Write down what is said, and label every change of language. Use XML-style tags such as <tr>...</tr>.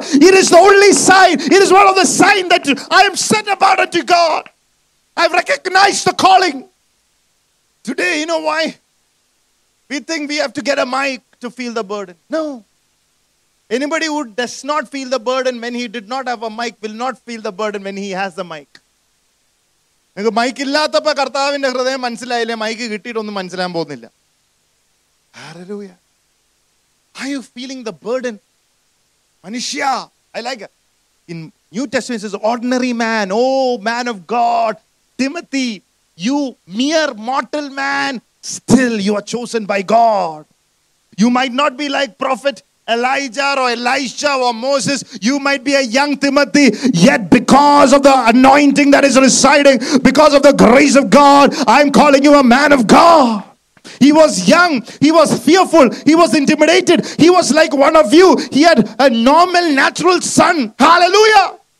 <en>It is the only sign. It is one of the signs that I am set apart unto God. I've recognized the calling. Today, you know why? We think we have to get a mic to feel the burden. No. Anybody who does not feel the burden when he did not have a mic will not feel the burden when he has the mic.</en> <ml>നിങ്ങൾക്ക് mic ഇല്ലാത്തപ്പോ കർത്താവിന്റെ ഹൃദയം മനസ്സിലായില്ലേ? Mic കിട്ടിയിട്ടൊന്നും മനസ്സിലാൻ പോകുന്നില്ല. Hallelujah.</ml> <en>Are you feeling the burden? മനുഷ്യ, I like in New Testament is ordinary man, O man of God Timothy, you mere mortal man, still you are chosen by God. You might not be like prophet Elijah or Elisha or Moses. You might be a young Timothy, yet because of the anointing that is residing, because of the grace of God, I'm calling you a man of God. He was young, he was fearful, he was intimidated, he was like one of you. He had a normal natural son. Hallelujah.</en>